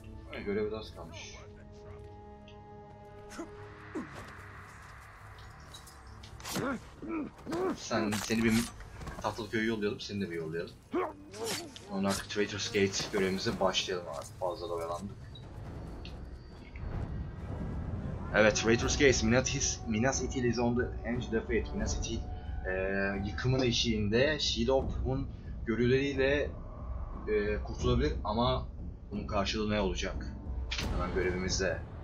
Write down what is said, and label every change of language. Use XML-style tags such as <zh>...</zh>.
<tr>Hayır, görevi de az kalmış. Seni bir tatlı köye yollayalım, seni de bir yollayalım. Onun artık Traitor's Gate görevimize başlayalım artık. Fazla da oyalandık. Evet,</tr> <en>Traitor's Gate, Minas Ithil is on the edge of defeat.</en> <tr>Minas Ithil yıkımın eşiğinde, Shidop'un görüleriyle kurtulabilir ama bunun karşılığı ne olacak? Hemen görevimize.</tr>